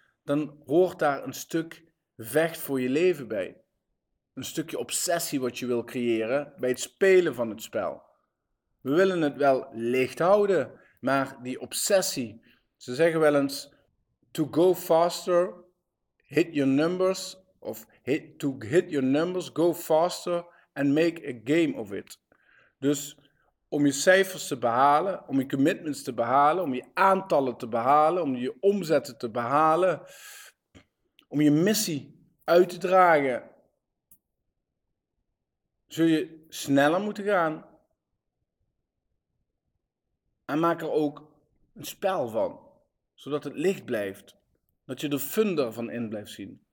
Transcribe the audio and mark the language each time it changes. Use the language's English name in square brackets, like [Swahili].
[Dutch] Dan hoort daar een stuk vecht voor je leven bij. Een stukje obsessie wat je wil creëren bij het spelen van het spel. We willen het wel licht houden, maar die obsessie. Ze zeggen wel eens, [English] to go faster, hit your numbers. Of to hit your numbers, go faster and make a game of it. [Dutch] Dus om je cijfers te behalen, om je commitments te behalen, om je aantallen te behalen, om je omzetten te behalen, om je missie uit te dragen, zul je sneller moeten gaan en maak er ook een spel van, zodat het licht blijft, dat je de funder van in blijft zien.